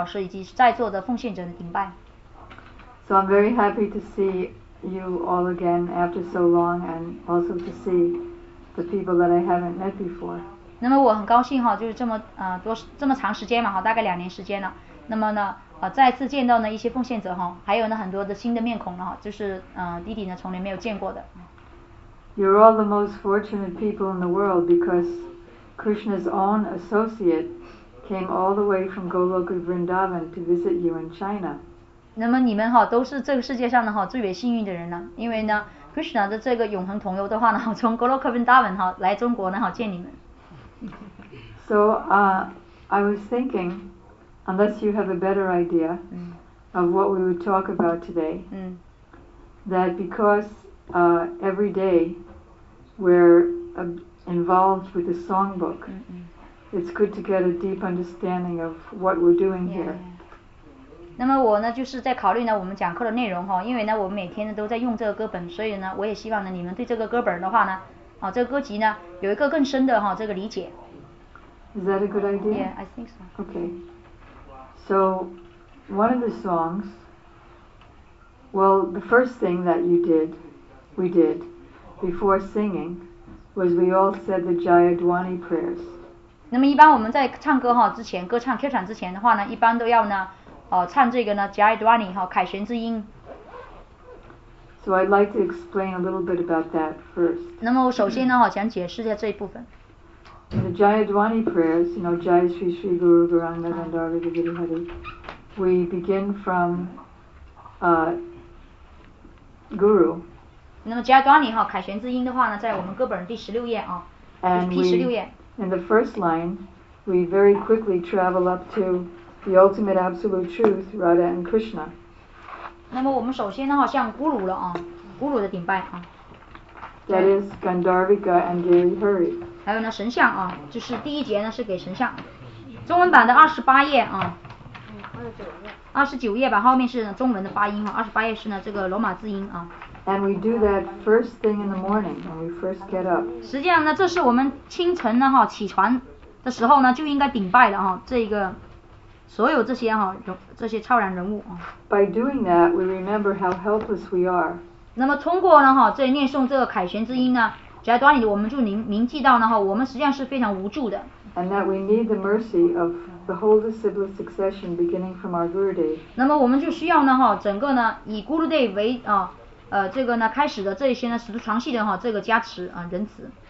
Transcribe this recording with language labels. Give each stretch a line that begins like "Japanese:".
Chinese: 也向我们整个使徒传系的这些灵性导师以及在座的奉献者的顶拜。
English: So I'm very happy to see you all again after so long and also to see the people that I haven't met before.
Chinese: 那么我很高兴，就是这么长时间嘛，大概2年时间了。那么再次见到一些奉献者，还有很多的新的面孔，就是弟弟从来没有见过的。
English: You're all the most fortunate people in the world because Krishna's own associate came all the way from Goloka Vrindavan to visit you in China.
Chinese: 那么你们都是这个世界上最为幸运的人了，因为呢， Krishna 的这个永恒同游的话，从 Goloka Vrindavan 来中国见你们。
English: So I was thinking, unless you have a better idea, of what we would talk about today, that because every day we're involved with the songbook, it's good to get a deep understanding of what we're doing here.
Chinese: 那么我呢，就是在考虑呢我们讲课的内容哈，因为呢我们每天呢都在用这个歌本，所以呢我也希望呢你们对这个歌本的话呢，啊这个歌集呢有一个更深的哈这个理解。
English: Is that a good idea? Yeah, I think so. Okay. So, one of the songs. Well, the first thing that you did, we did, before singing, was we all said the Jayadwani prayers.
Chinese: 那么一般我们在唱歌哈之前，歌唱 Q 唱之前的话呢，一般都要呢。唱这个呢 Jayadwani 哈凯旋之音。
English: So I'd like to explain a little bit about that first.
Chinese: 那么我首先呢，我想解释一下这一部分。
English: In the Jayadwani prayers, you know, Jai Sri Sri Guru Gauranga Dandavi Vidhi Hari, we begin from Guru.
Chinese: 那么 Jayadwani 哈凯旋之音的话呢，在我们歌本第十六页啊，第十六页。
English: In the first line, we very quickly travel up to. The ultimate absolute truth, Radha and Krishna.
Chinese: 那么我们首先呢，像古鲁了啊，古鲁的顶拜啊。
English: That is Gandharvika and Girihari.
Chinese: 还有呢，神像啊，就是第一节呢是给神像。中文版的二十八页啊。二十九页吧，后面是中文的发音啊，二十八页是呢这个罗马字音啊。
English: And we do that first thing in the morning when we first get up.
Chinese: 实际上呢，这是我们清晨呢哈起床的时候呢就应该顶拜的哈这一个。所有这些哈，这些超然人物啊。
English: By doing that, we remember how helpless we are.
Chinese: 那么通过呢哈，这念诵这个凯旋之音呢，只要端里我们就铭记到呢哈，我们实际上是非常无助的。
English: And that we need the mercy of the whole disciple succession beginning from our Gurudev.
Chinese: 那么我们就需要呢哈，整个呢以 Gurudev 为啊这个呢开始的这些呢始祖传系的哈这个加持啊仁慈。